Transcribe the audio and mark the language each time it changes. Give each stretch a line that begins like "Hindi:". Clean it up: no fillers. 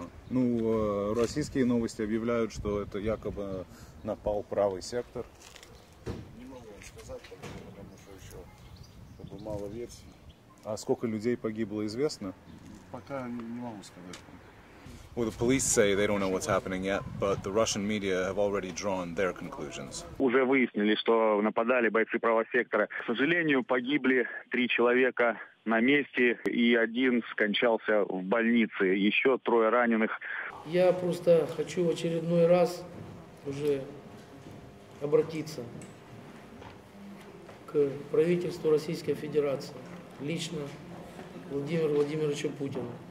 Russian: Российские новости объявляют, что это якобы напал правый сектор. Не могу вам сказать, потому что еще мало версий. А сколько людей погибло, известно? Пока не могу сказать.
English: Well, the police say they don't know what's happening yet, but the Russian media have already drawn their conclusions.
Russian: Уже выяснили, что нападали бойцы правого сектора. К сожалению, погибли 3 человека на месте, и один скончался в больнице. Еще 3 раненых. Я просто хочу в очередной раз уже обратиться к правительству Российской Федерации, лично Владимиру Владимировичу Путину.